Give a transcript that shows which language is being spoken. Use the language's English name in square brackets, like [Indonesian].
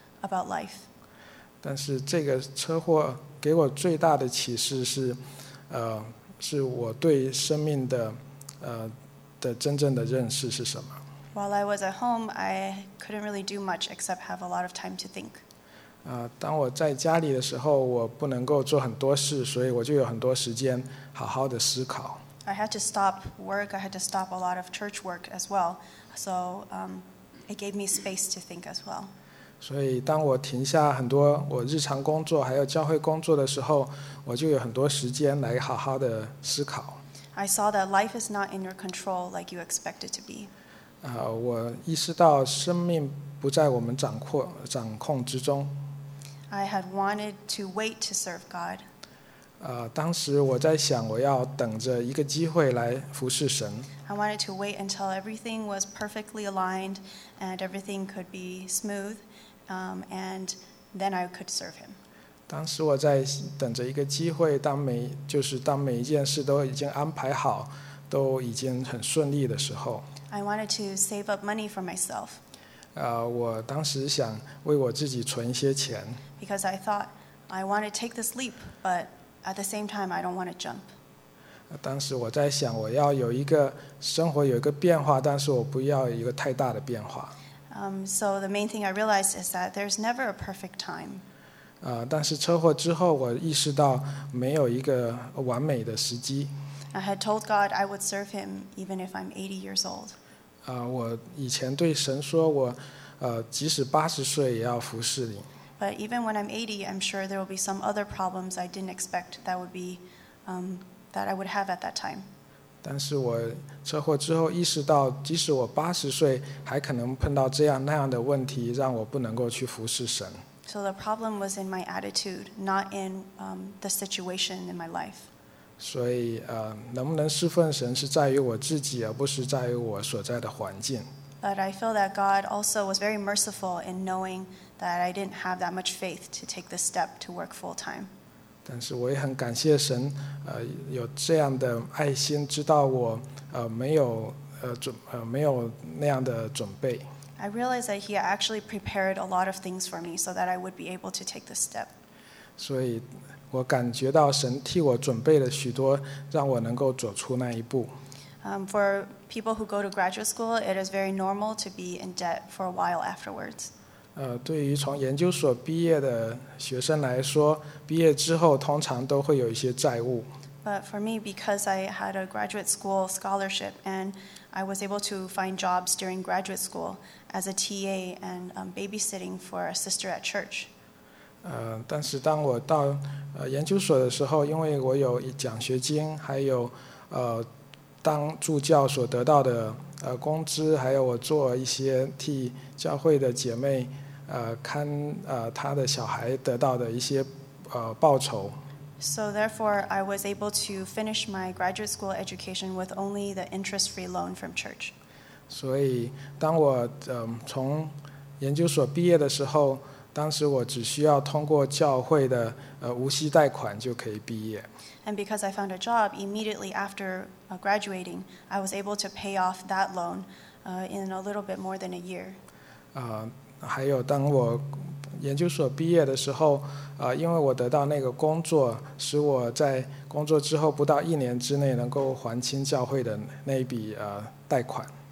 [English] About life. [Chinese] 但是这个车祸给我最大的启示是，是我对生命的，的真正的认识是什么。 [English] While I was at home, I couldn't really do much except have a lot of time to think. [Chinese] 当我在家里的时候，我不能够做很多事，所以我就有很多时间好好的思考。 [English] I had to stop work. I had to stop a lot of church work as well. So, it gave me space to think as well. [Chinese] 所以当我停下很多我日常工作还有教会工作的时候，我就有很多时间来好好的思考。 [English] I saw that life is not in your control like you expect it to be. [Chinese] 我意识到生命不在我们掌控之中。 [English] I had wanted to wait to serve God. [Chinese] 当时我在想我要等着一个机会来服侍神。 [English] I wanted to wait until everything was perfectly aligned and everything could be smooth, and then I could serve him. [Chinese] 当时我在等着一个机会，当每一件事都已经安排好，都已经很顺利的时候。 [English] I wanted to save up money for myself. [Chinese] 我当时想为我自己存一些钱。 [English] Because I thought I want to take this leap, but at the same time I don't want to jump. [Chinese] 当时我在想我要有一个生活有一个变化，但是我不要一个太大的变化。 [English] So the main thing I realized is that there's never a perfect time. [Chinese] 但是车祸之后我意识到没有一个完美的时机。 [English] I had told God I would serve him even if I'm 80 years old. [Chinese] 我以前对神说我即使80岁也要服侍你。 [English] But even when I'm 80, I'm sure there will be some other problems I didn't expect that would be, that I would have at that time. [Chinese] 但是我车祸之后意识到即使我80岁还可能碰到这样那样的问题让我不能够去服侍神。 [English] So the problem was in my attitude, not in the situation in my life. [Chinese] 所以能不能侍奉神是在于我自己而不是在于我所在的环境。 [English] But I feel that God also was very merciful in knowing that I didn't have that much faith to take this step to work full time. [Chinese] 但是我也很感谢神，有这样的爱心，知道我没有那样的准备。 [English] I realized that He actually prepared a lot of things for me so that I would be able to take this step. [Chinese] 所以我感觉到神替我准备了许多，让我能够走出那一步。 [English] For people who go to graduate school, it is very normal to be in debt for a while afterwards. [Chinese] 对于从研究所毕业的学生来说，毕业之后通常都会有一些债务。 [English] But for me, because I had a graduate school scholarship and I was able to find jobs during graduate school as a TA and babysitting for a sister at church. [Chinese] 但是当我到研究所的时候，因为我有奖学金，还有当助教所得到的工资，还有我做一些替教会的姐妹看她的小孩得到的一些报酬。 [English] So therefore, I was able to finish my graduate school education with only the interest-free loan from church. [Chinese] 所以当我从研究所毕业的时候，当时我只需要通过教会的无息贷款就可以毕业。 [English] And because I found a job immediately after graduating, I was able to pay off that loan in a little bit more than a year. [Chinese] 还有当我研究所毕业的时候，因为我得到那个工作，使我在工作之后不到一年之内能够还清教会的那一笔贷款。